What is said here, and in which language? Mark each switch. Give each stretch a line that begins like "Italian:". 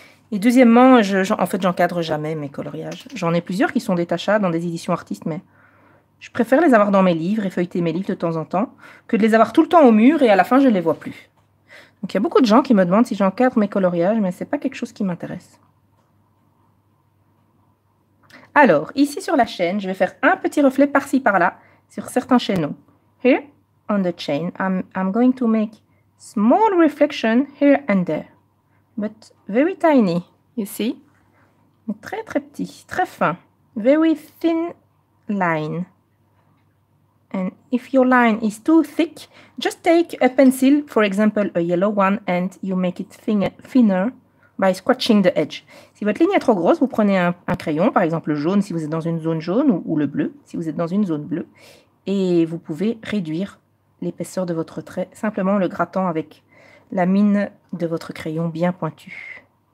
French: Et deuxièmement, j'encadre jamais mes coloriages. J'en ai plusieurs qui sont détachables dans des éditions artistes, mais je préfère les avoir dans mes livres et feuilleter mes livres de temps en temps que de les avoir tout le temps au mur et à la fin, je ne les vois plus. Donc, il y a beaucoup de gens qui me demandent si j'encadre mes coloriages, mais ce n'est pas quelque chose qui m'intéresse. Alors, ici sur la chaîne, je vais faire un petit reflet par-ci, par-là, sur certains chaînons.
English: Here on the chain, I'm going to make small reflection here and there, but very tiny, you see,
French: mais très très petit, très fin,
English: very thin line, and if your line is too thick, just take a pencil, for example a yellow one, and you make it thinner by scratching the edge.
French: Si votre ligne est trop grosse, vous prenez un crayon, par exemple le jaune si vous êtes dans une zone jaune, ou le bleu si vous êtes dans une zone bleue, et vous pouvez réduire l'épaisseur de votre trait, simplement le grattant avec la mine de votre crayon bien pointu.